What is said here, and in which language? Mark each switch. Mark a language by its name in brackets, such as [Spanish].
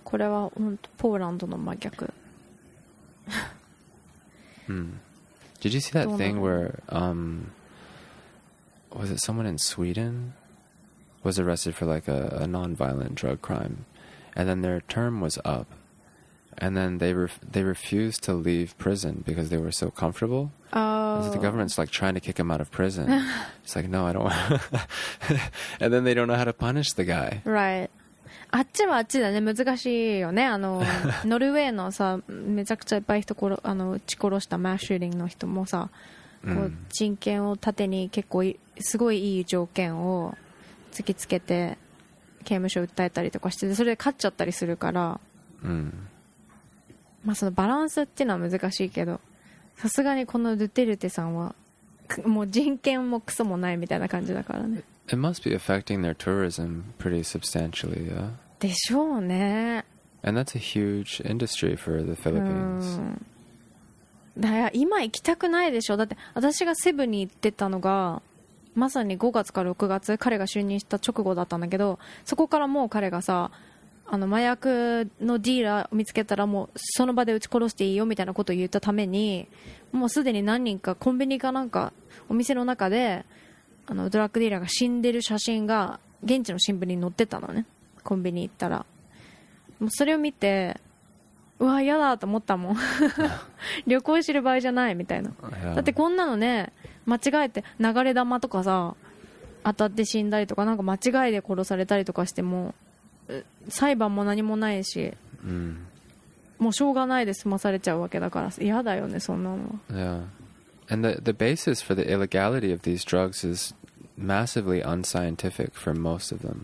[Japanese] これは本当ポーランドの真逆。 [English] Did you see that thing where, was it someone in Sweden was arrested for like a non-violent drug crime and then their term was up and then they refused to leave prison because they were so comfortable. Oh. So the government's like trying to kick him out of prison. It's like, no, I don't want and then they don't know how to punish the guy. Right. [Japanese] あっちはあっちだね、難しいよね。あのノルウェーのさ、めちゃくちゃいっぱい人殺、あの撃ち殺したマッシューリングの人もさ、こう人権を盾に結構すごいいい条件を突きつけて刑務所を訴えたりとかして、それで勝っちゃったりするから、まあそのバランスっていうのは難しいけど、さすがにこのドゥテルテさんはもう人権もクソもないみたいな感じだからね。 [English] It must be affecting their tourism pretty substantially, yeah? [Japanese] でしょうね。 [English] And that's a huge industry for the Philippines. [Japanese] だや、今行きたくないでしょ。だって私がセブンに行ってたのがまさに5月か6月、彼が就任した直後だったんだけど、そこからもう彼がさ、あの麻薬のディーラーを見つけたらもうその場で撃ち殺していいよみたいなことを言ったために、もうすでに何人かコンビニかなんかお店の中であのドラッグディーラーが死んでる写真が現地の新聞に載ってたのね。コンビニ行ったらもうそれを見て、うわやだと思ったもん旅行してる場合じゃないみたいな、 [English] yeah. [Japanese] だってこんなのね、間違えて流れ玉とかさ当たって死んだりとか、なんか間違いで殺されたりとかしても裁判も何もないし、もうしょうがないで済まされちゃうわけだから、嫌だよねそんなの。 [English] yeahAnd the basis for the illegality of these drugs is massively unscientific for most of them.